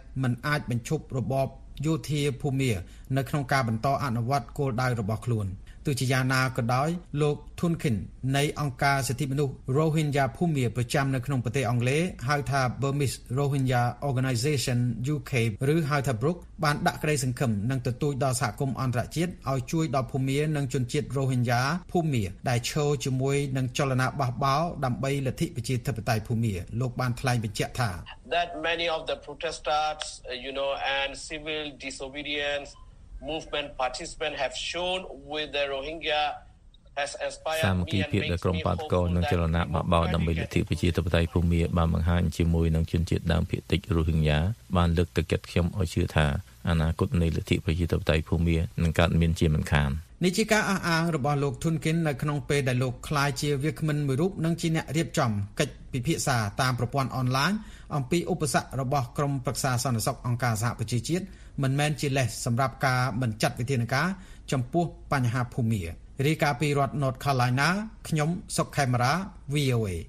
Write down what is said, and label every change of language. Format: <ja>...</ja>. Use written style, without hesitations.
<km>មិនអាចបញ្ឈប់របបយោធាភូមានៅក្នុងការបន្តអនុវត្តគោលដៅរបស់ខ្លួនទូជាយ៉ាងណាក៏ដោយលោកធុនខិននៃអង្គការសិទ្ធិមនុស្ស Rohingya ភូមាប្រចាំនៅក្នុងប្រទេសអង់គ្លេសហៅថា Burmese Rohingya Organization UK ឬហៅថា Brook បានដាក់ក្តីសង្ឃឹមនិងទទូចដល់សហគមន៍អន្តរជាតិឲ្យជួយដល់ភូមានិងជនជាតិ Rohingya ភូមាដែលឈរជាមួយនឹងចលនាបះបោរដើម្បីលទ្ធិប្រជាធិបតេយ្យភូមាលោកបានថ្លែងបញ្ជាក់ថា</km> <en>That many of the protesters you know and civil disobedience movement participant have shown with the Rohingya</en> <km>សាមគ្គីភាពដែលក្រុមបាតកោនិងចលនាបះបោរដើម្បីលទ្ធិប្រជាធិបតេយ្យភូមាបានបង្ហាញជាមួយនឹងជនជាតិដើមភាគតិចរូហីងយ៉ាបានលើកទឹកចិត្តខ្ញុំឲ្យជឿថាអនាគតនៃលទ្ធិប្រជាធិបតេយ្យភូមានឹងកើតមានជាមិនខាននេះជាការអះអាងរបស់លោកធុនគិននៅក្នុងពេលដែលលោកខ្លាយជាវាគ្មិនមួយរូបនិងជាអ្នករៀបចំកិច្ចពិភាក្សាតាមប្រព័ន្ធអនឡាញអំពីឧបសគ្គរបស់ក្រុមប្រឹក្សាសន្តិសុខអង្គការសហប្រជាជាតិមិនមែនជាលេសសម្រាប់ការមិនចាត់វិធានការចំពោះបញ្ហាភូមិរីកាពីរដ្ឋ North Carolina ខ្ញុំសុកខេមរ៉ា VOA</km>